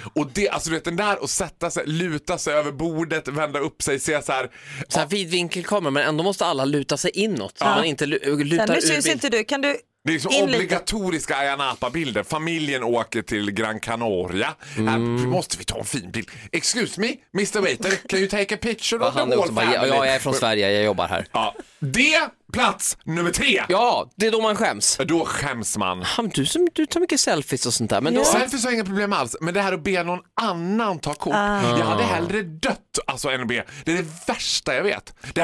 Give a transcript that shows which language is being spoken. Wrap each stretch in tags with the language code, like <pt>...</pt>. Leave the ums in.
<sv>Och det, alltså du vet den där och sätta sig, luta sig över bordet, vända upp sig, se så här. Så ja. vidvinkel kommer men ändå måste alla luta sig inåt. Så ja. Man inte l- l- lutar Sen, nu syns inte du, kan du det är liksom obligatoriska Ayia Napa-bilder. Familjen åker till Gran Canaria. Mm. Här måste vi ta en fin bild.</sv> <en>Excuse me, Mr Waiter, can you take a picture of the whole family?</en> <sv>Bara, ja, jag är från Sverige, jag jobbar här. Ja. Det, plats nummer tre. Ja, det är då man skäms. Då skäms man. Ja, du, du tar mycket selfies och sånt där. Men yeah. Selfies har inga problem alls, men det här att be någon annan ta kort. Ah. Jag hade hellre dött alltså, än att be. Det är det värsta jag vet. Det ah.</sv>